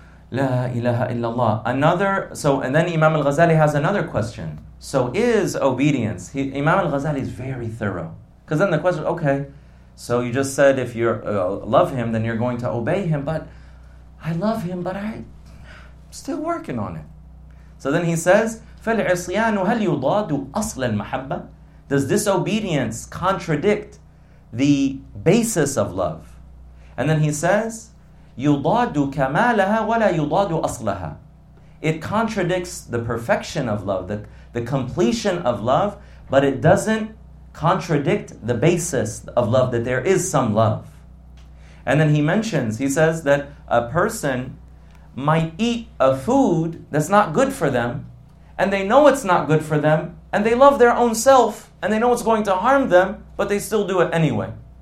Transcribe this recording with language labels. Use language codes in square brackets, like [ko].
[en] La ilaha illallah. Another, so, and then Imam al-Ghazali has another question. So is obedience, Imam al-Ghazali is very thorough. Because then the question, okay, so you just said if you love him, then you're going to obey him, but I love him, but I'm still working on it. So then he says, [ar] فَالْعِصْيَانُ هَلْ يُضَادُ أَصْلَ الْمَحَبَّةِ. [en] Does disobedience contradict the basis of love? And then he says, [ar] يُضَادُ كَمَالَهَا وَلَا يُضَادُ أَصْلَهَا. [en] It contradicts the perfection of love, the completion of love, but it doesn't contradict the basis of love, that there is some love. And then he mentions, he says that a person might eat a food that's not good for them, and they know it's not good for them, and they love their own self, and they know it's going to harm them, but they still do it anyway.